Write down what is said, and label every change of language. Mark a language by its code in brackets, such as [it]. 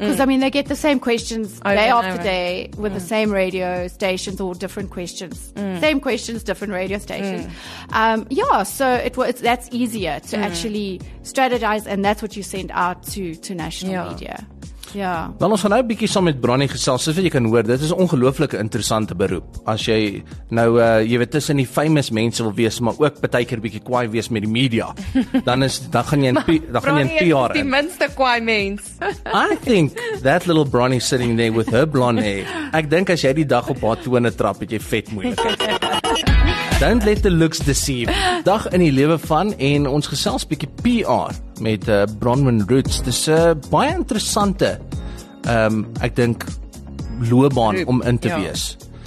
[en] Because, I mean, they get the same questions day after day with the same radio stations or different questions. Mm. Same questions, different radio stations. Mm. Yeah, so that's easier to actually strategize, and that's what you send out to national media. [af] Ja. Dan ons gaan nou 'n bietjie saam met Bronnie gesels. Soos wat jy kan hoor, dit is 'n ongelooflike interessante beroep. As jy nou jy weet tussen die famous mense wil wees, maar ook partykeer 'n bietjie kwaai wees met die media, dan gaan jy in PR. Die minste kwaai mens. [en] I think that little Bronnie sitting there with her blonde hair. [af] Ek dink as jy die dag op haar tone trap, het jy vet moeilik. [en] Don't let the looks deceive. [af] Dag in die lewe van en ons gesels 'n bietjie PR met Bronwyn Roots. Dis 'n baie interessante ek dink loopbaan om in te wees.